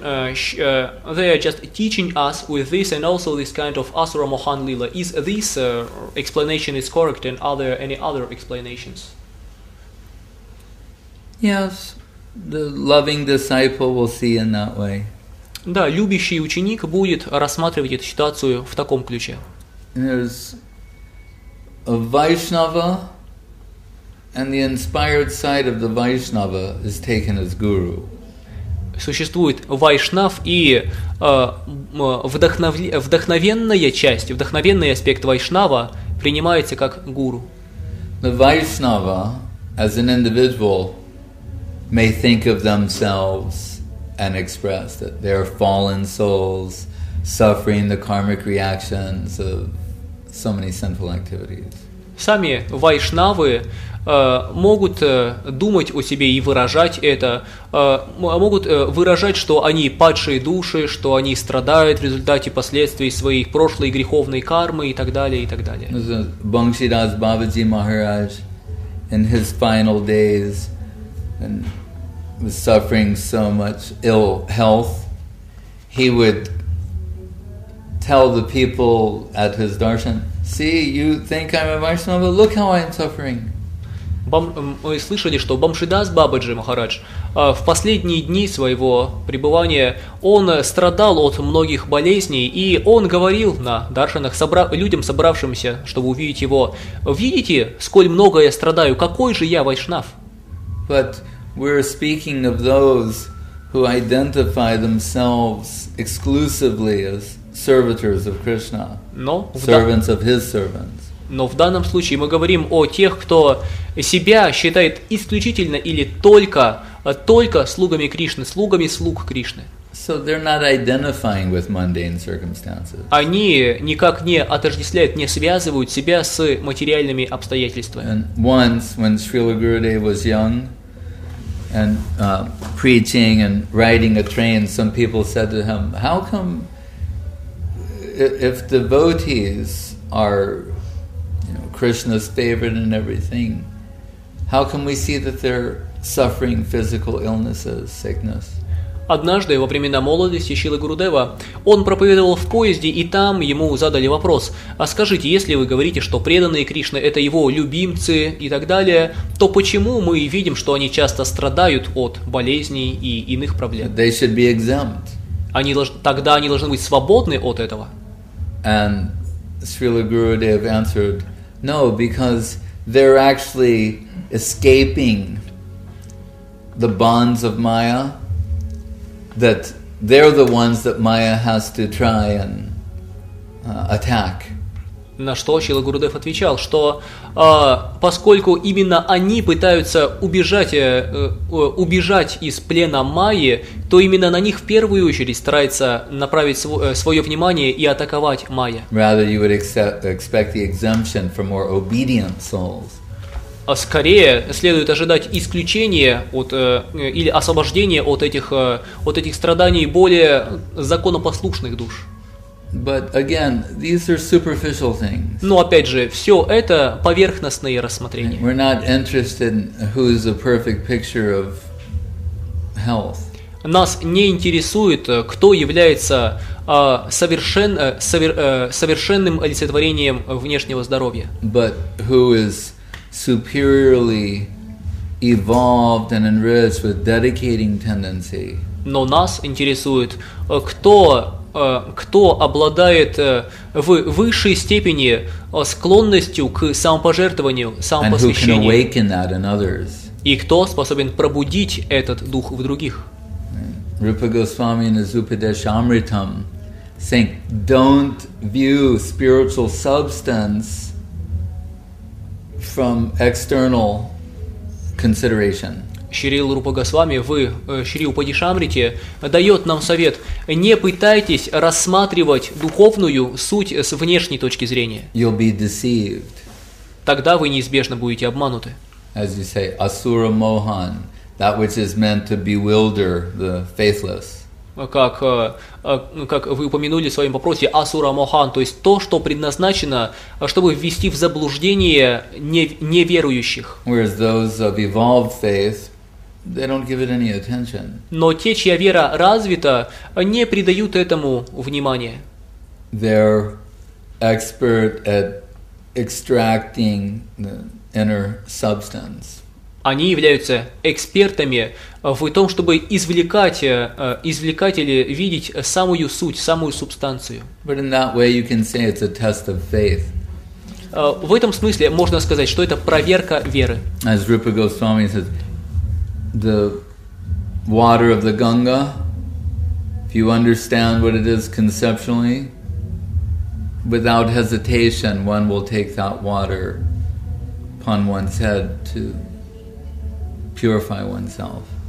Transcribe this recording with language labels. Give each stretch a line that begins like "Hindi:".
English: They are just teaching us with this, and also this kind of Asura Mohan Lila. Is this explanation is correct? And are there any other explanations? Yes, the loving disciple will see in that way.
Russian: Да, любящий ученик будет рассматривать эту ситуацию в таком ключе.
English: There's a Vaishnava, and the inspired side of the Vaishnava is taken as guru.
Russian: Существует Вайшнав и вдохновенная часть, вдохновенный аспект Вайшнава принимается как гуру.
English: The Vaishnava as an individual may think of themselves and express that they're fallen souls suffering the karmic reactions of so many sinful activities.
Russian: Сами вайшнавы могут думать о себе и выражать это, могут выражать, что они падшие души, что они страдают в результате последствий своей прошлой греховной кармы и так далее, и так далее.
English: Бхактидас Бабаджи Махарадж in his final days and was suffering so much ill health, he would tell the people at his darshan, "See, you think I'm a Vaishnava, but look how I'm suffering."
Russian: Мы слышали, что Бхактидас Бабаджи Махарадж в последние дни своего пребывания он страдал от многих болезней, и он говорил на даршанах людям, собравшимся, чтобы увидеть его, "Видите, сколь много я страдаю, какой же я Вайшнав?"
English: But we're speaking of those who identify themselves exclusively as servitors of Krishna, servants of his servants.
Russian: Но в данном случае мы говорим о тех, кто себя считает исключительно или только слугами Кришны, слугами слуг Кришны.
English: So they're not identifying with mundane circumstances.
Russian: Они никак не отождествляют, не связывают себя с материальными обстоятельствами.
English: And once, when Srila Gurudev was young, and preaching and riding a train, some people said to him, "How come if devotees are, you know, Krishna's favorite and everything, how can we see that they're suffering physical illnesses, sickness?"
Russian: Однажды во времена молодости Шрилы Гурудева он проповедовал в поезде, и там ему задали вопрос: "А скажите, если вы говорите, что преданные Кришны – это его любимцы и так далее, то почему мы видим, что они часто страдают от болезней и иных проблем?"
English: They should be exempt.
Russian: Тогда они должны быть свободны от этого.
English: And Srila Gurudev answered, "No, because they're actually escaping the bonds of Maya. That they're the ones that Maya has to try and attack."
Russian: На что Шрила Гурудев отвечал, что поскольку именно они пытаются убежать из плена Майи, то именно на них в первую очередь старается направить свое внимание и атаковать Майя.
English: Rather, you would expect the exemption for more obedient souls.
Russian: А скорее следует ожидать исключения от или освобождения от этих страданий более законопослушных душ.
English: But again, these are superficial things.
Russian: Но опять же, все это поверхностные рассмотрения.
English: We're not interested in who's a perfect picture of health.
Russian: Нас не интересует, кто является совершенным олицетворением внешнего здоровья.
English: But who is superiorly evolved and enriched with dedicating tendency.
Russian: Но нас интересует, кто обладает в высшей степени склонностью к самопожертвованию, самопосвящению.
English: And who can awaken that in others?
Russian: И кто способен пробудить этот дух в других?
English: Rupa Goswami in his Upadeshamritam saying, don't view spiritual substance from external consideration.
Russian: Шрила Рупа Госвами в Шри Упадешамрите дает нам совет: не пытайтесь рассматривать духовную суть с внешней точки зрения.
English: You'll be deceived.
Russian: Тогда вы неизбежно будете обмануты.
English: As you say, asura mohan, that which is meant to bewilder the faithless.
Russian: Как вы упомянули в своем вопросе, асура мохан, то есть то, что предназначено, чтобы ввести в заблуждение неверующих.
English: Whereas those of evolved faith, they don't give it any attention.
Russian: Но те, чья вера развита, не придают этому внимания.
English: They're expert at extracting the inner substance.
Russian: Они являются экспертами в том, чтобы извлекать или видеть самую суть, самую субстанцию.
English: But in that way you can say it's a test of faith.
Russian: В этом смысле можно сказать, что это проверка веры.
English: As Rupa Goswami says, the water of the Ganga, if you understand what it is conceptually, without hesitation one will take that water upon one's head to purify oneself.